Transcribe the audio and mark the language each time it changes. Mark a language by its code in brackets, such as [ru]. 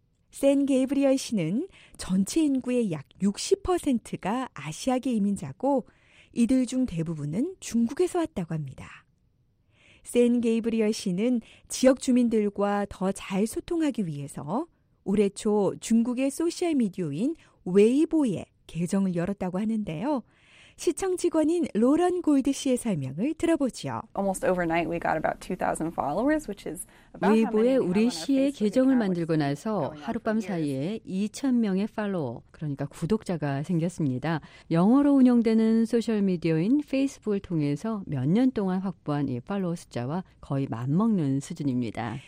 [ko] 샌 게이브리얼 씨는 전체 인구의 약 60%가 아시아계 이민자고 이들 중 대부분은 중국에서 왔다고 합니다. 샌 게이브리얼 씨는 지역 주민들과 더 잘 소통하기 위해서 올해 초 중국의 소셜미디어인 웨이보에 계정을 열었다고 하는데요. 시청 직원인 로런 골드 씨의 설명을 들어보죠. [en] Almost overnight we got about 2000 followers, which is [ko] 웨이보에 우리 시의 계정을 만들고 나서 하룻밤 사이에 2,000명의 팔로워, 그러니까 구독자가 생겼습니다. 영어로 운영되는 소셜미디어인 페이스북을 통해서 몇 년 동안 확보한 이 팔로워 숫자와 거의 맞먹는 수준입니다.